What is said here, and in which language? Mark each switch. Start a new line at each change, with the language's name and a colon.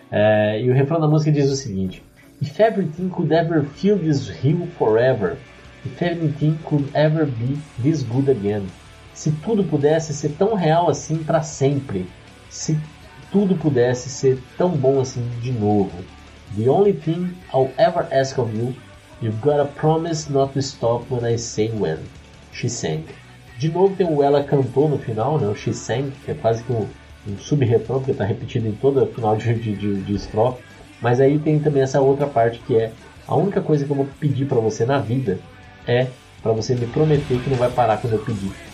Portuguese: E o refrão da música diz o seguinte:
English: "If everything could ever feel this real forever, if everything could ever be this good again."
Portuguese: Se tudo pudesse ser tão real assim para sempre, se tudo pudesse ser tão bom assim de novo.
English: "The only thing I'll ever ask of you, you've got a promise not to stop when I say when she sang."
Portuguese: De novo tem o ela cantou no final, né? O
English: she sang,
Portuguese: que é quase que um sub-refrão, porque está repetido em todo o final de estrofe. Mas aí tem também essa outra parte que é: "A única coisa que eu vou pedir para você na vida é para você me prometer que não vai parar quando eu pedir."